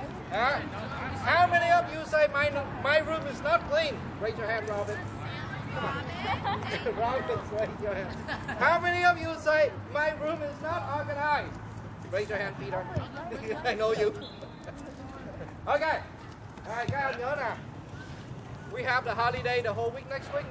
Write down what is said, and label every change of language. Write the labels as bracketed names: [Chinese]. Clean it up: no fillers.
[English] How many of you say my room is not clean? Raise your hand, Robin. Robin, raise your hand. How many of you say my room is not organized? Raise your hand, Peter. I know you. Okay, all right, [Vietnamese] các em nhớ nè. [English] We have the holiday the whole week next week.